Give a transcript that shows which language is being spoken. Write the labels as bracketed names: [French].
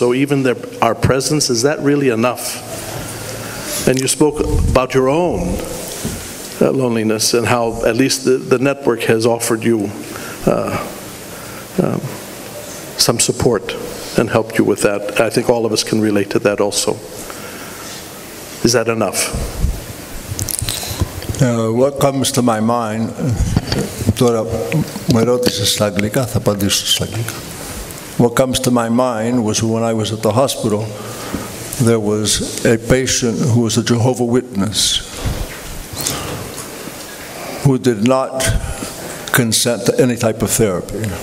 [English] So even our presence, is that really enough? And you spoke about your own loneliness and how at least the network has offered you some support and helped you with that. I think all of us can relate to that also. Is that enough? What comes to my mind, [Greek] τώρα με ρώτησε στα αγγλικά, θα απαντήσω στα αγγλικά. [English] What comes to my mind was when I was at the hospital, there was a patient who was a Jehovah Witness who did not consent to any type of therapy.